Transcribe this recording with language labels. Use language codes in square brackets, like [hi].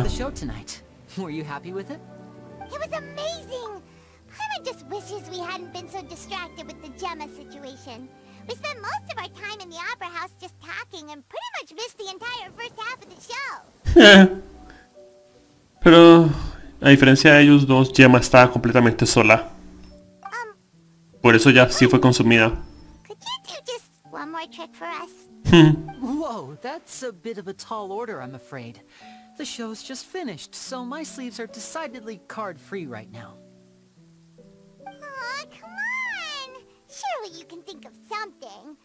[en] The show tonight. Were you happy with it? It was amazing. Paimon just wishes we hadn't been so distracted with the Gemma situation. We spent most of our time in the opera house just talking and pretty much missed the entire first half of the show. [es] Pero a diferencia de ellos dos, Gemma estaba completamente sola. Por eso ya sí fue consumida. [en] Could you do just one more trick for us? Whoa, that's a bit of a tall order, I'm afraid. The show's just finished, so my sleeves are decidedly card-free right now. Aw, come on! Surely you can think of something.